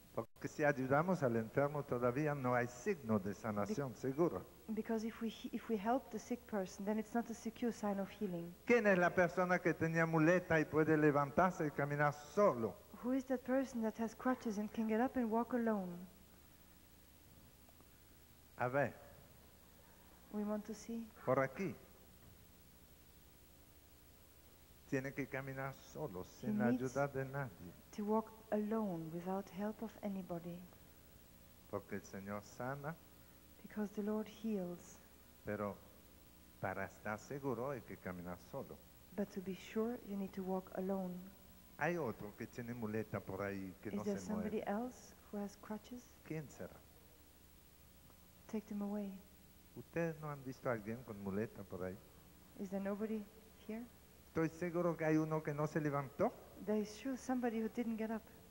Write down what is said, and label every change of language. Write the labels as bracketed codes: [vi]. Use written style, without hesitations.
[es] Porque si ayudamos al enfermo todavía no hay signo de sanación seguro. [en] Because if we help the sick person, then it's not a secure sign of healing. [es] ¿Quién es la persona que tenía muleta y puede levantarse y caminar solo? [en] Who is that person that has crutches and can get up and walk alone? [es] A ver. [en] We want to see. [es] Por aquí. Tiene que caminar solo, sin ayuda de nadie. [en] To walk alone without help of anybody. [es] Porque el Señor sana. [en] Because the Lord heals. [es] Pero para estar seguro hay que caminar solo. [en] But to be sure, you need to walk alone. [es] Hay otro que tiene muleta por ahí que [en] is [es] no se mueve. [en] Is there somebody else who has crutches? [es] ¿Quién será? [en] Take them away. [es] ¿Ustedes no han visto a alguien con muleta por ahí? [en] Is there nobody here? [es] Estoy seguro que hay uno que no se levantó. [en] There is sure somebody who didn't get up.